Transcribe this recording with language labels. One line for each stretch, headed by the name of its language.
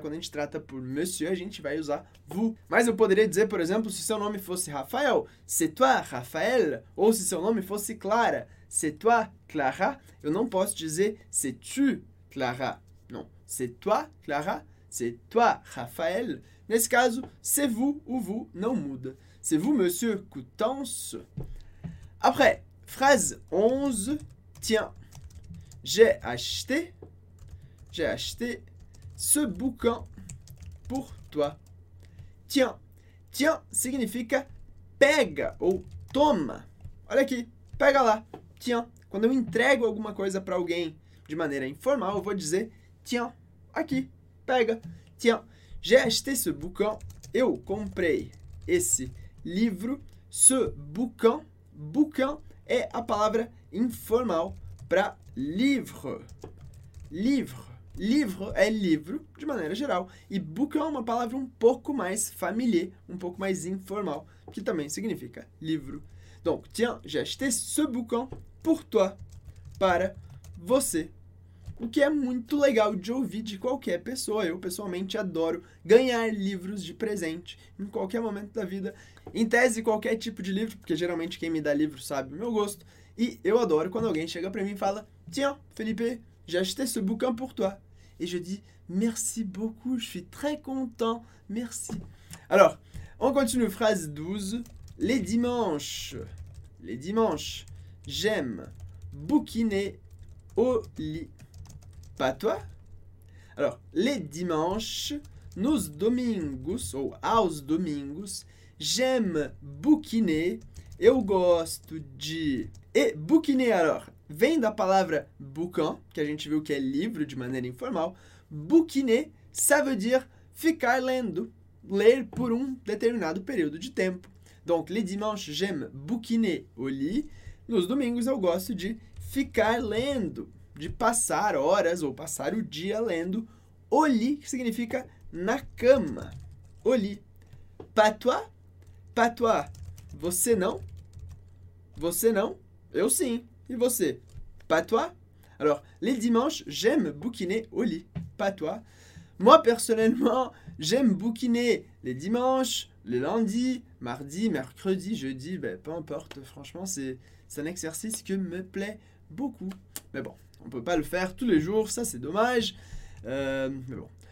Portuguese: Quando a gente trata por monsieur, a gente vai usar vous. Mas eu poderia dizer, por exemplo, se seu nome fosse Rafael,
French: c'est toi, Rafael?
Portuguese: Ou se seu nome fosse Clara,
French: c'est toi, Clara?
Portuguese: Eu não posso dizer
French: c'est tu, Clara.
Portuguese: Não,
French: c'est toi, Clara? C'est toi, Rafael?
Portuguese: Nesse caso, c'est vous ou vous não muda.
French: C'est vous, monsieur Coutances? Après, phrase 11. Tiens, j'ai acheté ce bouquin pour toi.
Portuguese: Tiens significa pega ou toma. Olha aqui, pega lá. Tiens, quando eu entrego alguma coisa para alguém de maneira informal, eu vou dizer tiens, aqui, pega.
French: Tiens, j'ai acheté ce bouquin.
Portuguese: Eu comprei esse livro, ce bouquin. Bouquin é a palavra informal para livre. Livre. Livre é livro, de maneira geral. E bouquin é uma palavra um pouco mais familiar, um pouco mais informal, que também significa livro.
French: Donc, tiens, j'ai acheté ce bouquin pour toi,
Portuguese: para você. O que é muito legal de ouvir de qualquer pessoa. Eu, pessoalmente, adoro ganhar livros de presente em qualquer momento da vida. Em tese, qualquer tipo de livro, porque geralmente quem me dá livro sabe o meu gosto. E eu adoro quando alguém chega pra mim e fala,
French: tiens, Felipe, j'ai acheté ce bouquin pour toi. E je dis, merci beaucoup, je suis très content, merci. Alors, on continue, phrase 12. Les dimanches, j'aime bouquiner au lit. Pas toi? Alors, les dimanches,
Portuguese: nos domingos, ou aos domingos,
French: j'aime bouquiner,
Portuguese: eu gosto de... Et bouquiner, alors, vem da palavra bouquin, que a gente viu que é livro de maneira informal. Bouquiner, ça veut dire ficar lendo, ler por um determinado período de tempo.
French: Donc, les dimanches, j'aime bouquiner au lit.
Portuguese: Nos domingos, eu gosto de ficar lendo, de passar horas ou passar o dia lendo
French: au lit,
Portuguese: que significa na cama, au lit.
French: Pas toi?
Portuguese: Pas toi, você não? Você não? Eu sim. E você? Pas toi?
French: Alors, les dimanches, j'aime bouquiner au lit. Pas toi. Moi, personnellement, j'aime bouquiner les dimanches, les lundis, mardis, mercredis, jeudi, ben, peu importe. Franchement, c'est un exercice que me plaît beaucoup. Mais bon, on ne peut pas le faire tous les jours, ça c'est dommage. Mais bon.